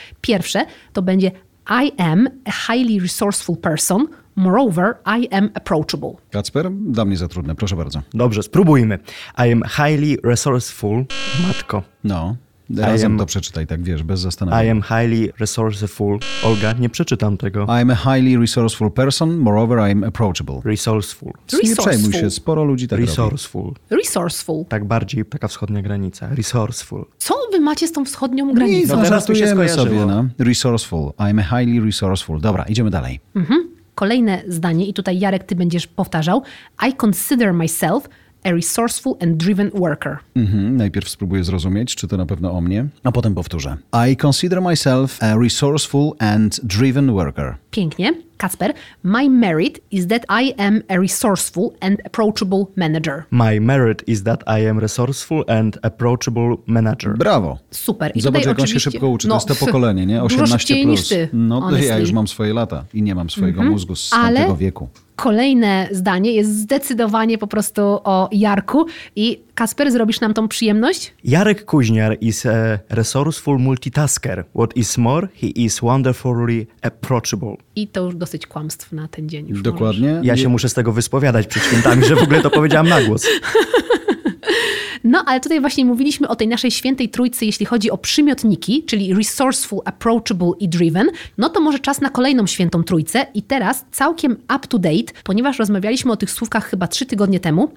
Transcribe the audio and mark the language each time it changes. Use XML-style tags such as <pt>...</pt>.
<pl>Pierwsze to będzie</pl> <en>I am a highly resourceful person, moreover, I am approachable.</en> <pl>Kacper, dla mnie za trudne, proszę bardzo. Dobrze, spróbujmy.</pl> <en>I am highly resourceful, matko.</en> <pl>No, razem to przeczytaj, tak wiesz, bez zastanowienia.</pl> <en>I am highly resourceful, Olga,</en> <pl>nie przeczytam tego.</pl> <en>I am a highly resourceful person, moreover, I am approachable. Resourceful.</en> <pl>Nie przejmuj się, sporo ludzi tak</pl> <en>resourceful.</en> <pl>Robi.</pl> <en>Resourceful.</en> <pl>Tak bardziej, taka wschodnia granica.</pl> <en>Resourceful.</en> <pl>Co wy macie z tą wschodnią granicą? Nie, zaraz się sobie, no. Resourceful.</pl> <en>I am a highly resourceful.</en> <pl>Dobra, idziemy dalej. Mhm. Kolejne zdanie i tutaj Jarek, ty będziesz powtarzał.</pl> <en>I consider myself... A resourceful and driven worker. Mm-hmm.</en> <pl>Najpierw spróbuję zrozumieć, czy to na pewno o mnie, a potem powtórzę.</pl> <en>I consider myself a resourceful and driven worker.</en> <pl>Pięknie.</pl> <en>Kacper, my merit is that I am a resourceful and approachable manager. My merit is that I am resourceful and approachable manager.</en> <pl>Brawo. Super. I zobacz, jak on się szybko uczy. No, to jest to pokolenie, nie? 18 plus. Niż ty, no to</pl> <en>honestly.</en> <pl>Ja już mam swoje lata i nie mam swojego mm-hmm. mózgu z tamtego wieku. Kolejne zdanie jest zdecydowanie po prostu o Jarku. I Kasper, zrobisz nam tą przyjemność?</pl> <en>Jarek Kuźniar is a resourceful multitasker. What is more, he is wonderfully approachable.</en> <pl>I to już dosyć kłamstw na ten dzień. Już dokładnie. Możesz. Ja się muszę z tego wyspowiadać przed świętami, że w ogóle to powiedziałam na głos. No, ale tutaj właśnie mówiliśmy o tej naszej świętej trójcy, jeśli chodzi o przymiotniki, czyli resourceful, approachable i driven. No to może czas na kolejną świętą trójcę i teraz całkiem up to date, ponieważ rozmawialiśmy o tych słówkach chyba 3 tygodnie temu.</pl>